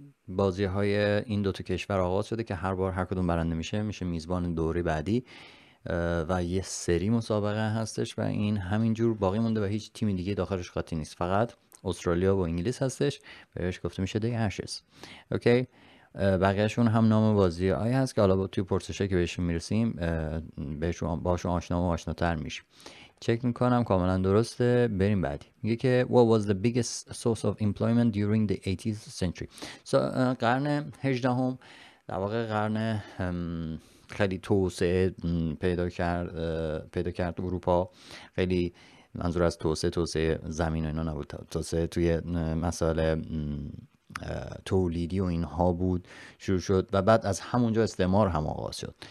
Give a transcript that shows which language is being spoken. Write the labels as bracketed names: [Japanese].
[Persian] بازی های این دو تا کشور آغاز شده که هر بار هر کدوم برنده میشه میشه میزبان دوره بعدی و یه سری مسابقه هستش و این همینجور باقی مونده و هیچ تیم دیگه داخلش قطعی نیست، فقط استرالیا و انگلیس هستش، بهش گفته میشه دی اشز. اوکی، بقیهشون هم نام بازی هایی هست که حالا توی پرسشه که بهشون میرسیم باشون آشنا و آشناتر میشیم. چک میکنم کاملا درسته، بریم بعدی. میگه که [English] what was the biggest source of employment during the 18th century. [Persian] So, قرن 18 هم در واقع قرن خیلی توسعه پیدا کرد اروپا، خیلی منظور از توسعه زمین و اینا نبود، توسعه توی مسائل تولیدی و اینها بود، شروع شد و بعد از همونجا استعمار هم آغاز شد.